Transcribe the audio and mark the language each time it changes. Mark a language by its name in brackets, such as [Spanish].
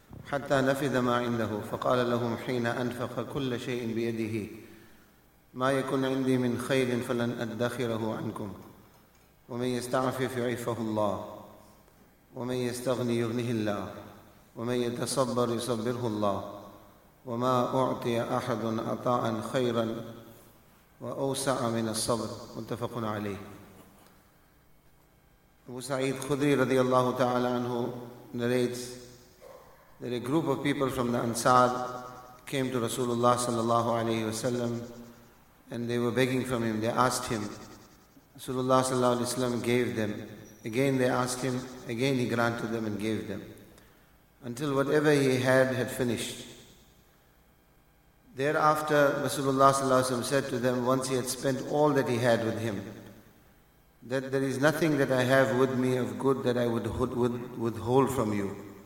[Arabic] حتى نفذ ما عنده، فقال لهم حين أنفق كل شيء بيده: ما يكون عندي من خير فلن أدخره عنكم، ومن يستعفف يعفه الله، ومن يستغني يغنه الله، ومن يتصبر يصبره الله، وما أعطي أحد عطاء خيرا وأوسع من الصبر. متفق عليه. [English] أبو سعيد خدري [Arabic] رضي الله تعالى عنه [English] narrates that a group of people from the Ansar came to Rasulullah [Arabic] صلى الله عليه وسلم [English] and they were begging from him. They asked him. Rasulullah [Arabic] صلى الله عليه وسلم [English] gave them. Again they asked him, again he granted them and gave them, until whatever he had finished. Thereafter, Rasulullah sallallahu alayhi wa sallam said to them, once he had spent all that he had with him, that there is nothing that I have with me of good that I would withhold from you.